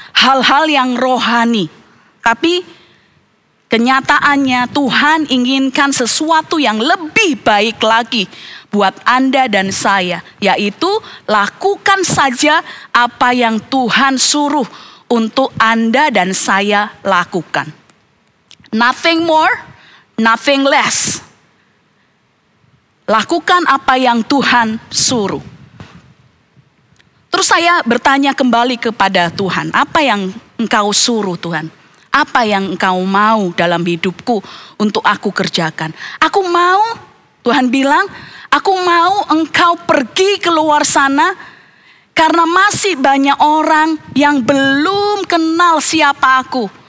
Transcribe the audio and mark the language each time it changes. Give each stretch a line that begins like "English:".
Indonesian: Hal-hal yang rohani. Tapi kenyataannya Tuhan inginkan sesuatu yang lebih baik lagi buat Anda dan saya. Yaitu lakukan saja apa yang Tuhan suruh untuk Anda dan saya lakukan.
English: Nothing more, nothing less.
Indonesian: Lakukan apa yang Tuhan suruh. Terus saya bertanya kembali kepada Tuhan, apa yang engkau suruh Tuhan? Apa yang engkau mau dalam hidupku untuk aku kerjakan? Aku mau, Tuhan bilang, aku mau engkau pergi keluar sana karena masih banyak orang yang belum kenal siapa aku.